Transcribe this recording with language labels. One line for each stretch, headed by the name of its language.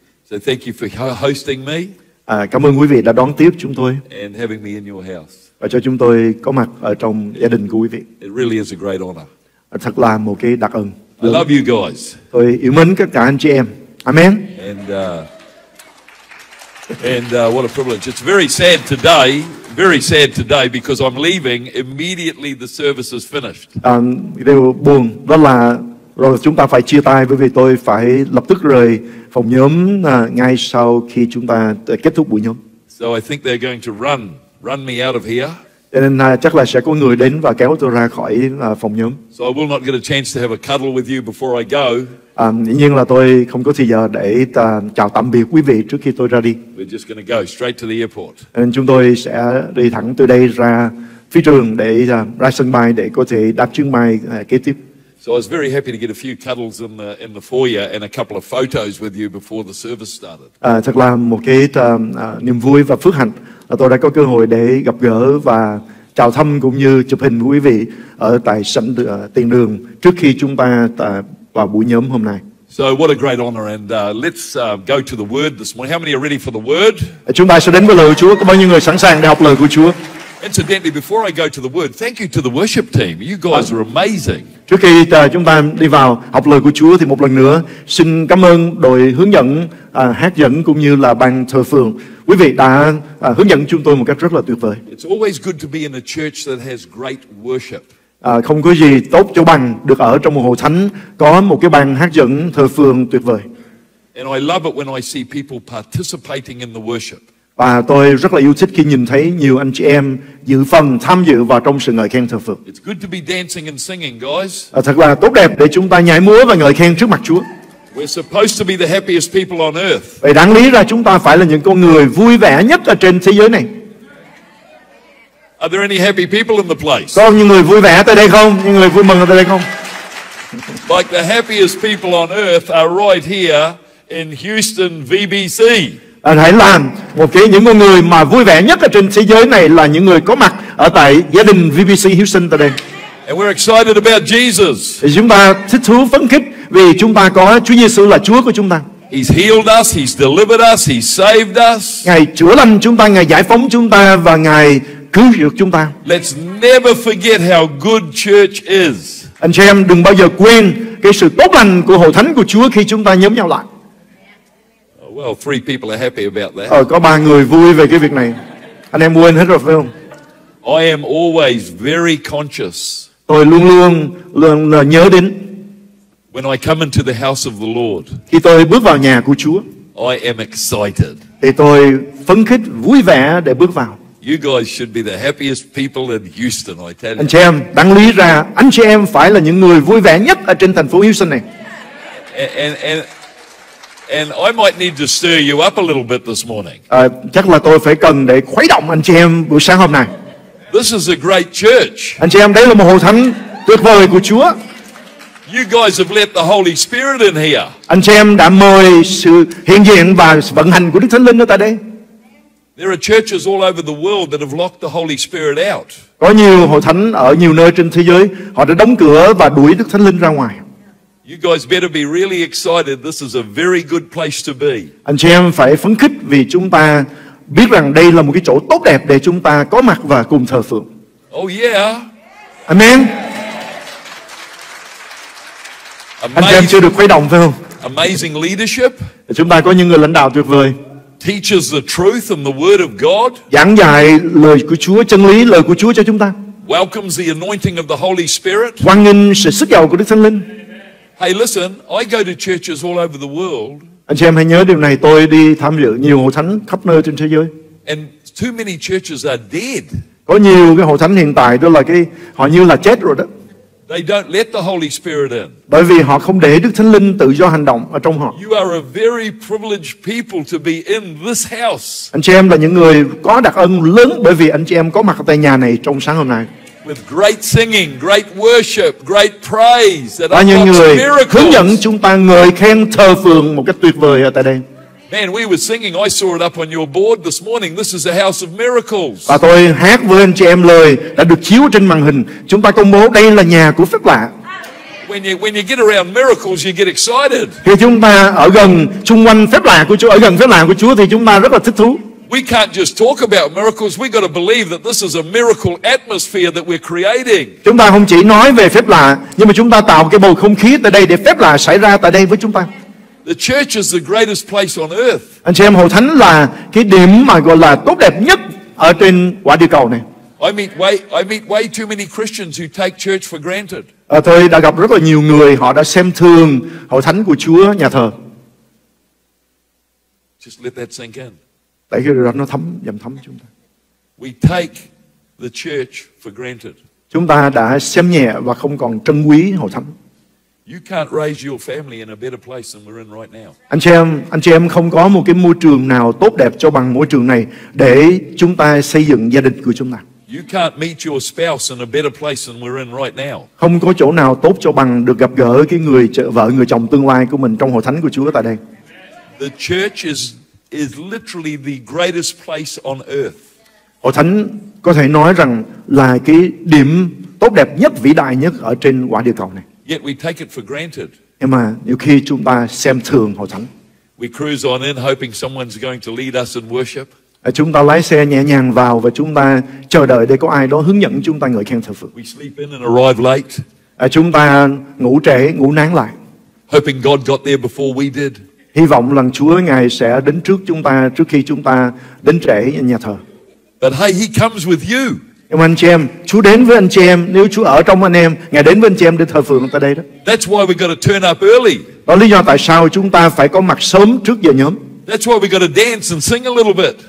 English: So thank you for hosting me.
Vietnamese: Cảm ơn quý vị đã đón tiếp chúng tôi.
English: And having me in your house.
Vietnamese: Và cho chúng tôi có mặt ở trong gia đình của quý vị.
English: It really is a great honor.
Vietnamese: Thật là một cái đặc ân.
English: I love you guys.
Vietnamese: Tôi yêu mến các cả anh chị em.
English: Amen. And what a privilege. It's very sad today because I'm leaving immediately the service is finished.
Vietnamese: Điều buồn đó là rồi chúng ta phải chia tay bởi vì tôi phải lập tức rời phòng nhóm ngay sau khi chúng ta kết thúc buổi nhóm.
English: So I think they're going to run me out of here.
Vietnamese: Cho nên chắc là sẽ có người đến và kéo tôi ra khỏi phòng nhóm.
English: So I will not get a chance to have a cuddle with you before I go.
Vietnamese: Dĩ nhiên là tôi không có thời giờ để chào tạm biệt quý vị trước khi tôi ra đi.
English: We're just going to go straight to the airport.
Vietnamese: Nên chúng tôi sẽ đi thẳng từ đây ra phi trường để ra sân bay để có thể đáp chuyến bay kế tiếp.
English: So I was very happy to get a few cuddles in the foyer and a couple of photos with you before the service started.
Vietnamese: Thật là một cái niềm vui và phước hạnh là tôi đã có cơ hội để gặp gỡ và chào thăm cũng như chụp hình với quý vị ở tại sảnh tiền đường trước khi chúng ta vào buổi nhóm hôm nay.
English: So what a great honor and let's go to the word this morning. How many are ready for the word?
Vietnamese: Chúng ta sẽ đến với lời của Chúa. Có bao nhiêu người sẵn sàng để học lời của Chúa?
English: Incidentally, before I go to the word, thank you to the worship team. You guys are amazing.
Vietnamese: Trước khi chúng ta đi vào học lời của Chúa, thì một lần nữa xin cảm ơn đội hướng dẫn, hát dẫn cũng như là ban thờ phượng. Quý vị đã hướng dẫn chúng tôi một cách rất là tuyệt vời.
English: It's always good to be in a church that has great worship.
Vietnamese: Không có gì tốt cho bằng được ở trong một hội thánh có một cái ban hát dẫn thờ phượng tuyệt vời.
English: And I love it when I see people participating in the worship.
Vietnamese: Và tôi rất là yêu thích khi nhìn thấy nhiều anh chị em dự phần tham dự vào trong sự ngợi khen thờ phượng.
English: It's good to be dancing and singing, guys.
Vietnamese: Thật là tốt đẹp để chúng ta nhảy múa và ngợi khen trước mặt Chúa.
English: We're supposed to be the happiest people on earth.
Vietnamese: Vậy đáng lý ra chúng ta phải là những con người vui vẻ nhất ở trên thế giới này.
English: Are there any happy people in the place?
Vietnamese: Có những người vui vẻ tại đây không? Những người vui mừng ở đây không?
English: Like the happiest people on earth are right here in Houston, VBC.
Vietnamese: Anh hãy làm một cái những con người mà vui vẻ nhất ở trên thế giới này là những người có mặt ở tại gia đình VBC Houston tại đây.
English: And we're excited about Jesus.
Vietnamese: Chúng ta thích thú phấn khích vì chúng ta có Chúa Giêsu là Chúa của chúng ta.
English: He's healed us, he's delivered us, he's saved us.
Vietnamese: Ngài chữa lành chúng ta, Ngài giải phóng chúng ta và Ngài cứu chuộc chúng ta.
English: Let's never forget how good church is.
Vietnamese: Anh chị em đừng bao giờ quên cái sự tốt lành của hội thánh của Chúa khi chúng ta nhóm nhau lại.
English: Well, three people are happy about that.
Vietnamese: Có ba người vui về cái việc này. Anh em quên hết rồi phải không?
English: I am always very conscious.
Vietnamese: Tôi luôn luôn là nhớ đến.
English: When I come into the house of the Lord.
Vietnamese: Khi tôi bước vào nhà của Chúa.
English: I am excited.
Vietnamese: Thì tôi phấn khích vui vẻ để bước vào.
English: You guys should be the happiest people in Houston, I tell you.
Vietnamese: Anh chị em, đáng lý ra anh chị em phải là những người vui vẻ nhất ở trên thành phố Houston này.
English: And I might need to stir you up a little bit this morning.
Vietnamese: Chắc là tôi phải cần để khuấy động anh chị em buổi sáng hôm nay.
English: This is a great church.
Vietnamese: Anh chị em, đây là một hội thánh tuyệt vời của Chúa.
English: You guys have let the Holy Spirit in here.
Vietnamese: Anh chị em đã mời sự hiện diện và vận hành của Đức Thánh Linh ở tại đây.
English: There are churches all over the world that have locked the Holy Spirit out.
Vietnamese: Có nhiều hội thánh ở nhiều nơi trên thế giới, họ đã đóng cửa và đuổi Đức Thánh Linh ra ngoài.
English: You guys better be really excited. This is a very good place to be.
Vietnamese: Anh chị em phải phấn khích vì chúng ta biết rằng đây là một cái chỗ tốt đẹp để chúng ta có mặt và cùng thờ phượng.
English: Oh yeah. Amen.
Vietnamese: Anh chị em chưa được khuấy động phải không?
English: Amazing leadership.
Vietnamese: Chúng ta có những người lãnh đạo tuyệt vời.
English: Teaches the truth and the word of God.
Vietnamese: Giảng dạy lời của Chúa, chân lý, lời của Chúa cho chúng ta.
English: Welcomes the anointing of the Holy Spirit.
Vietnamese: Hoan nghênh sự sức dầu của Đức Thánh Linh.
English: Hey, listen, I go to churches all over the world.
Vietnamese: Anh chị em hãy nhớ điều này, tôi đi tham dự nhiều hội thánh khắp nơi trên thế giới.
English: And too many churches are dead.
Vietnamese: Có nhiều cái hội thánh hiện tại đó là cái họ như là chết rồi đó.
English: They don't let the Holy Spirit in.
Vietnamese: Bởi vì họ không để Đức Thánh Linh tự do hành động ở trong họ.
English: You are a very privileged people to be in this house.
Vietnamese: Anh chị em là những người có đặc ân lớn bởi vì anh chị em có mặt tại nhà này trong sáng hôm nay.
English: With great singing, great worship, great praise that unlocks miracles.
Vietnamese: Hướng dẫn chúng ta ngợi khen thờ phượng một cách tuyệt vời ở tại đây.
English: Man, we were singing. I saw it up on your board this morning. This is a house of miracles.
Vietnamese: Và tôi hát với anh chị em lời đã được chiếu trên màn hình. Chúng ta công bố đây là nhà của phép lạ.
English: When you get around miracles, you get excited.
Vietnamese: Khi chúng ta ở gần xung quanh phép lạ của Chúa, ở gần phép lạ của Chúa thì chúng ta rất là thích thú.
English: We can't just talk about miracles. We got to believe that this is a miracle atmosphere that we're creating.
Vietnamese: Chúng ta không chỉ nói về phép lạ, nhưng mà chúng ta tạo cái bầu không khí tại đây để phép lạ xảy ra tại đây với chúng ta.
English: The church is the greatest place on earth.
Vietnamese: Anh chị em, hội thánh là cái điểm mà gọi là tốt đẹp nhất ở trên quả địa cầu này.
English: I meet way too many Christians who take church for granted.
Vietnamese: Tôi đã gặp rất là nhiều người họ đã xem thường hội thánh của Chúa, nhà thờ.
English: Just let that sink in.
Vietnamese: Tại cái điều đó nó thấm, dầm thấm chúng ta.
English: We take the church for granted.
Vietnamese: Chúng ta đã xem nhẹ và không còn trân quý hội thánh.
English: You can't raise your family in a better place than we're in right now.
Vietnamese: Anh chị em không có một cái môi trường nào tốt đẹp cho bằng môi trường này để chúng ta xây dựng gia đình của chúng ta.
English: You can't meet your spouse in a better place than we're in right now.
Vietnamese: Không có chỗ nào tốt cho bằng được gặp gỡ cái người vợ, người chồng tương lai của mình trong hội thánh của Chúa tại đây.
English: The church is literally the greatest place on earth.
Vietnamese: Hội thánh có thể nói rằng là cái điểm tốt đẹp nhất, vĩ đại nhất ở trên quả địa cầu này.
English: Yet we take it for granted.
Vietnamese: Nhưng mà nhiều khi chúng ta xem thường hội thánh.
English: We cruise on in hoping someone's going to lead us in worship.
Vietnamese: Chúng ta lái xe nhẹ nhàng vào và chúng ta chờ đợi để có ai đó hướng dẫn chúng ta ngợi khen thờ phượng.
English: We sleep in and arrive late.
Vietnamese: Chúng ta ngủ trễ, ngủ nán lại.
English: Hoping God got there before we did.
Vietnamese: Hy vọng rằng Chúa Ngài sẽ đến trước chúng ta trước khi chúng ta đến trễ nhà thờ.
English: But hey, he comes with you.
Vietnamese: Em anh chị em, Chúa đến với anh chị em, nếu Chúa ở trong anh em, Ngài đến với anh chị em để thờ phượng tại đây đó.
English: That's why we got to turn up early.
Vietnamese: Đó là lý do tại sao chúng ta phải có mặt sớm trước giờ nhóm.
English: That's why we got to dance and sing a little bit.